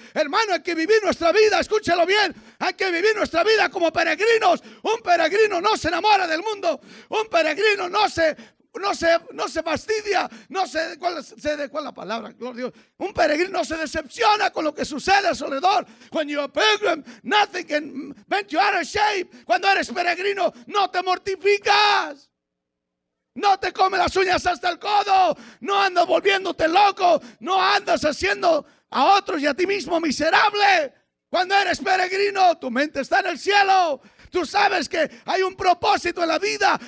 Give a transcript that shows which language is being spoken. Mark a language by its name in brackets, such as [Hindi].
[Spanish] Hermano, hay que vivir nuestra vida, escúchelo bien. Hay que vivir nuestra vida como peregrinos. Un peregrino no se enamora del mundo. Un peregrino no se fastidia, no sé cuál es la palabra, gloria a Dios. Un peregrino se decepciona con lo que sucede a su alrededor. [English] When you're a pilgrim, nothing can bend you out of shape. [Spanish] Cuando eres peregrino, no te mortificas. No te come las uñas hasta el codo. No andas volviéndote loco. No andas haciendo a otros y a ti mismo miserable. Cuando eres peregrino, tu mente está en el cielo. Tú sabes que hay un propósito en la vida.